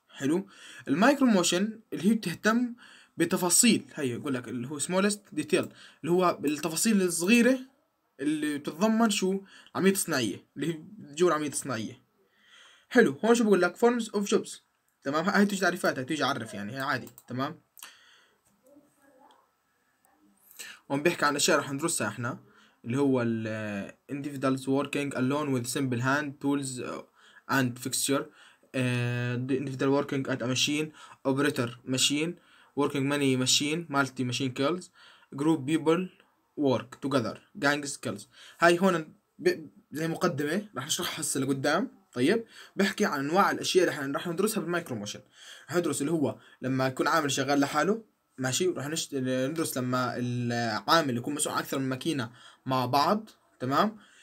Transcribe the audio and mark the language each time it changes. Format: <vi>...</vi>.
<ar>حلو، المايكرو موشن اللي هي بتهتم بتفاصيل، هي اقول لك اللي هو</ar> <en>smallest detail</en> <ar>اللي هو بالتفاصيل الصغيره اللي بتتضمن شو عمليه تصنيعيه اللي هي جوا عمليه تصنيعيه. حلو، هون شو بقول لك</ar> <en>forms of jobs,</en> <ar>تمام، هاي تيجي تعريفاتها تيجي اعرف يعني هي عادي، تمام. هون بيحكي عن اشياء رح ندرسها احنا اللي هو ال</ar> <en>individuals working alone with simple hand tools and fixture, individual working at a machine, operator machine, working many machine, multi machine kills, group people work together, gang skills.</en> <ar>هاي هون زي مقدمة رح نشرحها هسه لقدام. طيب بحكي عن انواع الاشياء اللي رح ندرسها بالمايكرو موشن. رح ندرس اللي هو لما يكون عامل شغال لحاله، ماشي، ورح ندرس لما العامل يكون مسؤول اكثر من ماكينة مع بعض، تمام.</ar>